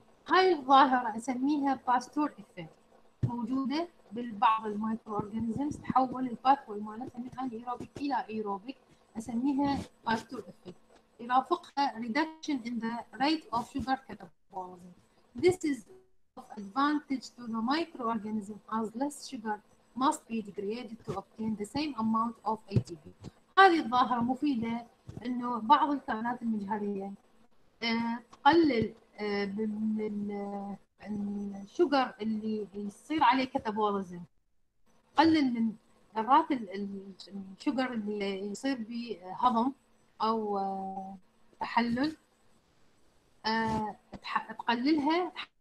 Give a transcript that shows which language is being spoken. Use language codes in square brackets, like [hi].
[ar] هاي الظاهرة أسميها باستور إفكت، موجودة بالبعض المايكرو اورجانيزمز تحول الباثوي مالتها من انيروبيك الى ايروبيك، اسميها باستور افكت. يرافقها [en] Reduction in the rate of sugar catabolism. This is of advantage to the microorganism as less sugar must be degraded to obtain the same amount of ATP. [ar] هذه الظاهره مفيده انه بعض الكائنات المجهريه تقلل من الشوجر اللي يصير عليه كتابوليزم، قلل من ذرات الشوجر اللي يصير بهضم او تحلل، تقللها